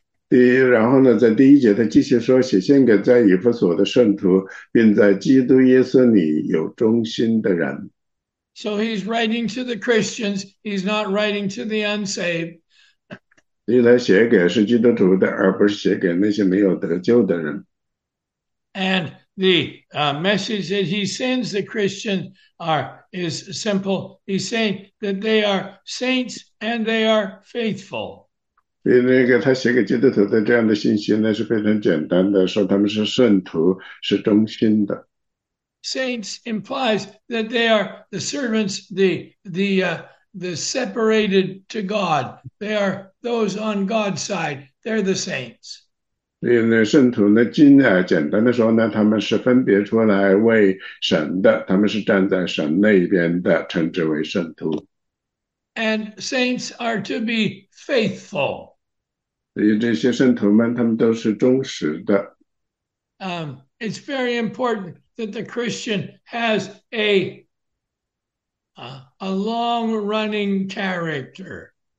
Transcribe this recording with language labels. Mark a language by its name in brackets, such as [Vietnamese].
[Chinese] 然后呢，在第一节他继续说，写信给在以弗所的圣徒，并在基督耶稣里有忠心的人。 [English] So he's writing to the Christians. He's not writing to the unsaved. [Chinese] 因为他写给是基督徒的，而不是写给那些没有得救的人。 [English] And the message that he sends the Christian is simple. He's saying that they are saints and they are faithful. [Chinese] 所以那个他写给基督徒的这样的信息呢，是非常简单的，说他们是圣徒，是忠心的。 [English] Saints implies that they are the servants, the separated to God. They are those on God's side. They're the saints. [Chinese] 所以呢，圣徒呢，经啊，简单的说呢，他们是分别出来为神的，他们是站在神那一边的，称之为圣徒。 [English] And saints are to be faithful. [Chinese] 所以这些圣徒们，他们都是忠实的。 [English] It's very important that the Christian has a long-running character.